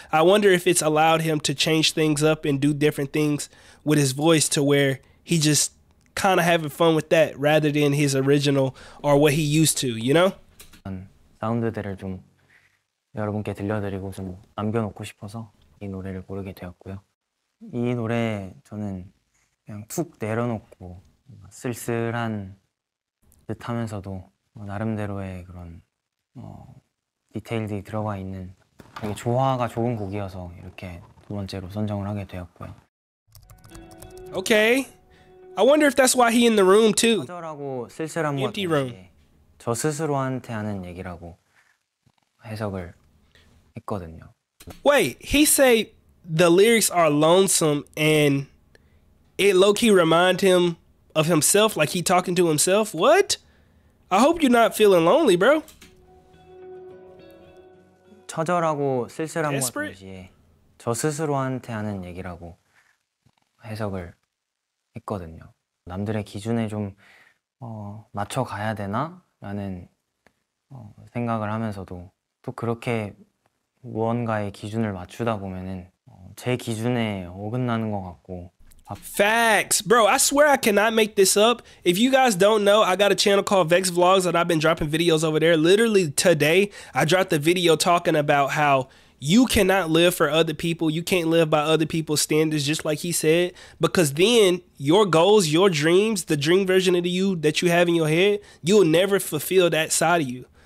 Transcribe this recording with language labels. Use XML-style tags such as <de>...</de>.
<en>I wonder if it's allowed him to change things up and do different things with his voice to where he just kind of having fun with that rather than his original or what he used to, you know?</en> <ko>사운드들을 좀 여러분께 들려드리고 좀 남겨놓고 싶어서 이 노래를 고르게 되었고요. 이 노래 저는 그냥 툭 내려놓고 쓸쓸한 듯 하면서도 나름대로의 그런 디테일들이 들어가 있는 되게 조화가 좋은 곡이어서 이렇게 두 번째로 선정을 하게 되었고요.</ko> <en>오케이. I wonder if that's why he in the room too.</en> <ko>거절하고 쓸쓸한 것 같은데 저 스스로한테 하는 얘기라고 해석을 했거든요.</ko> <en>Wait, he say the lyrics are lonesome and it low key remind him of himself, like he talking to himself. What? I hope you're not feeling lonely, bro.</en> <ko>처절하고 쓸쓸한 것 같은데 저 스스로한테 하는 얘기라고 해석을 했거든요. 남들의 기준에 좀 맞춰 가야 되나라는 생각을 하면서도 또 그렇게 무언가의 기준을 맞추다 보면은 제 기준에 어긋나는 것 같고.</ko> <en>Facts, bro. I swear I cannot make this up. If you guys don't know, I got a channel called Vex Vlogs that I've been dropping videos over there. Literally today, I dropped a video talking about how you cannot live for other people. You can't live by other people's standards, just like he said, because then your goals, your dreams, the dream version of you that you have in your head, you'll never fulfill that side of you.</en>